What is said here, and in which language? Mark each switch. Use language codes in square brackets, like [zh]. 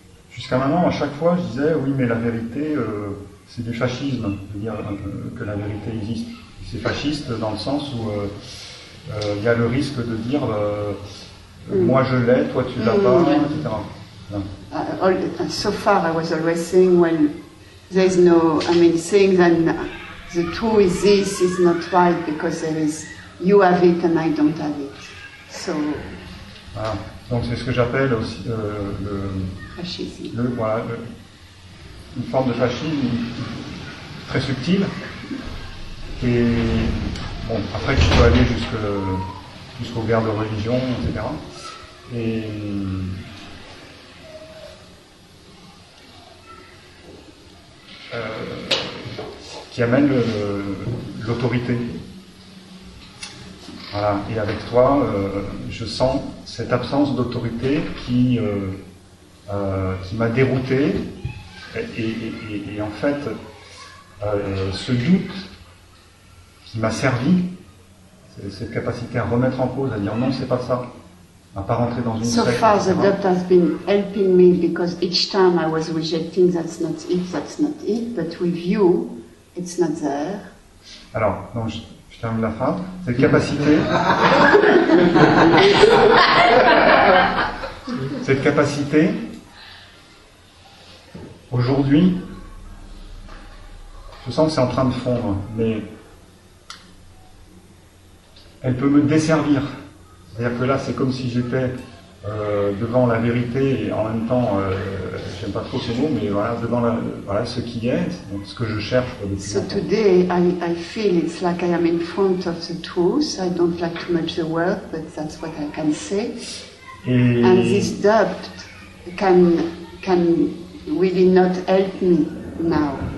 [fr] Jusqu'à maintenant, à chaque fois, je disais, oui, mais la vérité, c'est du fascisme, de dire que la vérité existe. C'est fasciste dans le sens où il y a le risque de dire... moi je l'ai, toi tu l'as pas, etc. [en] So far I was always saying, well, there is no, I mean, saying that the truth is this is not right because there is, you have it and I don't have it. So. [fr] Ah, donc c'est ce que j'appelle aussi le fascisme. Une forme de fascisme très subtile. Et bon, après tu peux aller jusqu'aux guerres de religion, etc. Qui amène le, l'autorité. Voilà. Et avec toi, je sens cette absence d'autorité qui m'a dérouté. Et en fait, ce doute qui m'a servi, cette capacité à remettre en cause, à dire non, c'est pas ça. [en] So far, the doubt has been helping me because each time I was rejecting, that's not it. But with you, it's not there. [fr] Alors, donc, je termine la phrase. Cette capacité, cette capacité, aujourd'hui, je sens que c'est en train de fondre, mais elle peut me desservir. C'est-à-dire que là, c'est comme si j'étais devant la vérité et en même temps, j'aime pas trop ce mot, mais voilà, devant la, voilà ce qui est, donc ce que je cherche. [en] So today, I feel it's like I am in front of the truth. I don't like too much the word, but that's what I can say. [fr] Et... [en] And this doubt can really not help me now.